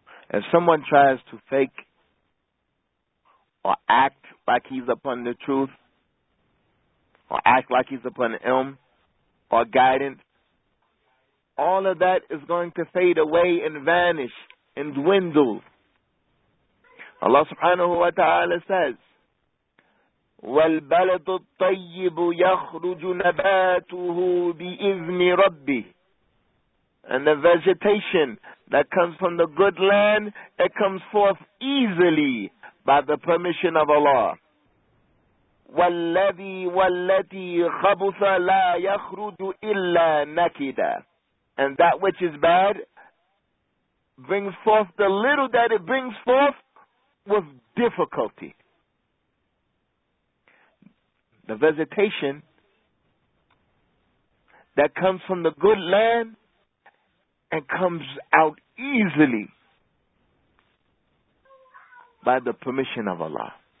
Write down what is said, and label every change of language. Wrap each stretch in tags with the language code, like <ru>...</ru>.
<en>If someone tries to fake or act like he's upon the truth, or act like he's upon ilm or guidance, all of that is going to fade away and vanish and dwindle. Allah subhanahu wa ta'ala says,</en> <ar>والبلد الطيب يخرج نباته بإذن ربي.</ar> <en>And the vegetation that comes from the good land, it comes forth easily by the permission of Allah.</en> <ar>والذي والتي خبث لا يخرج إلا نكدا.</ar> <en>And that which is bad brings forth the little that it brings forth with difficulty. The vegetation that comes from the good land and comes out easily by the permission of Allah.</en>